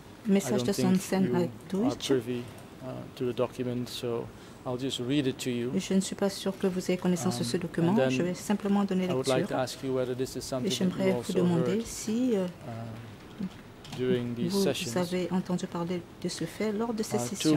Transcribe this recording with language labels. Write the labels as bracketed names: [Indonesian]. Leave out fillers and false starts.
[English] I don't think you are privy to the document, so I'll just read it to you. [French] Je ne suis pas sûr que vous ayez connaissance de ce document. Je vais simplement donner lecture. [English] I would like to ask you whether this is something that you also heard during these [French] vous [English] sessions. [French] Vous avez entendu parler de ce fait lors de ces sessions.